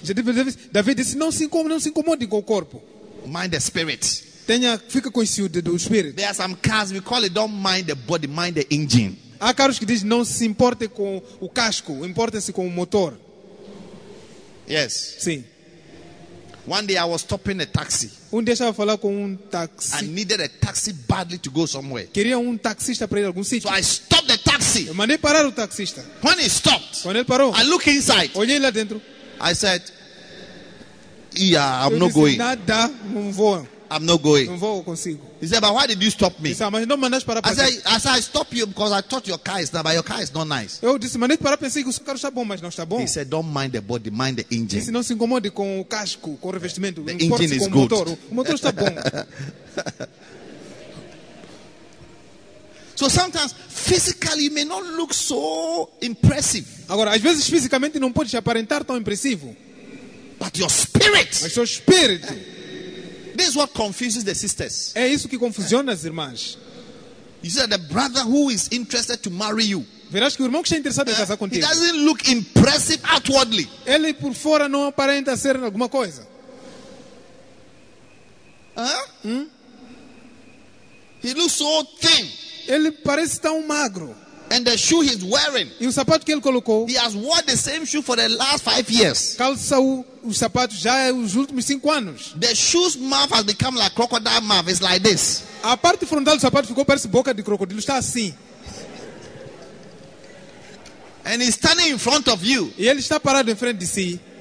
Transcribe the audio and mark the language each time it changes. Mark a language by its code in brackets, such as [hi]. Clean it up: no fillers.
[pt] David disse, não se incomode com o corpo. [en] Mind the spirit. [pt] Fica com isso do espírito. [en] There are some cars, we call it, don't mind the body, mind the engine. [pt] Há carros que dizem, não se importe com o casco, importe-se com o motor. [en] Yes. [pt] Sim. [en] One day I was stopping a taxi. [pt] Dia estava a falar com taxi. [en] I needed a taxi badly to go somewhere. [pt] Queria taxista para ir a algum sítio. [en] So I stopped the taxi. [pt] Eu mandei parar o taxista. [en] When he stopped. [pt] Quando ele parou. [en] I looked inside. [pt] Olhei lá dentro. [en] I said, yeah, I'm not going. [pt] Nada, não vou. [en] I'm not going. [pt] Não vou consigo. [en] He said, but why did you stop me? [pt] Disse, mas não mandaste parar. [en] I said, I stopped you because I thought your car is not, but your car is not nice. [pt] Eu disse, mandei parar, pensei que o seu carro está bom, mas não está bom. [en] He said, don't mind the body, mind the engine. [pt] Disse, não se incomode com o casco, com o revestimento. [en] The engine is good. [pt] O motor está bom. [en] So sometimes physically you may not look so impressive. [pt] Agora, às vezes fisicamente não pode se aparentar tão impressivo. [en] But your spirit. [pt] Mas seu espírito. [en] This is what confuses the sisters. [pt] É isso que confusiona as irmãs. [en] You see, the brother who is interested to marry you. [pt] Verás que o irmão que está interessado em casar contigo. [en] He doesn't look impressive outwardly. [pt] Ele por fora não aparenta ser alguma coisa. [en] He looks so thin. [pt] Ele parece tão magro. [en] And the shoe he's wearing. [pt] E o sapato que ele colocou. [en] He has worn the same shoe for the last 5 years. [pt] Calçou o sapato já os últimos 5 anos. [en] The shoe's mouth has become like crocodile mouth. It's like this. [pt] A parte frontal do sapato ficou parece boca de crocodilo. Está assim. [en] And he's standing in front of you. [pt] E ele está parado em frente de si.